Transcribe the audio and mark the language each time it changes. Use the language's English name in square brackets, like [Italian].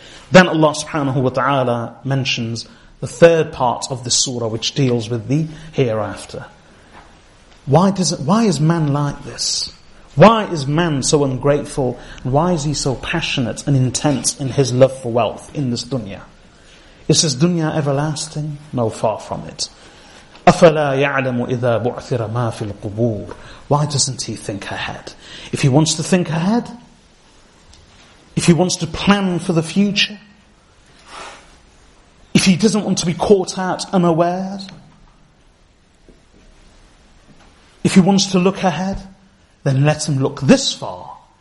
[English] Then Allah subhanahu wa ta'ala mentions the third part of the surah, which deals with the hereafter. Why is man like this? Why is man so ungrateful? Why is he so passionate and intense in his love for wealth in this dunya? Is this dunya everlasting? No, far from it. [Arabic] أَفَلَا يَعْلَمُ إِذَا بُعْثِرَ مَا فِي الْقُبُورِ [English] Why doesn't he think ahead? If he wants to think ahead, if he wants to plan for the future, if he doesn't want to be caught out unawares, if he wants to look ahead, then let him look this far.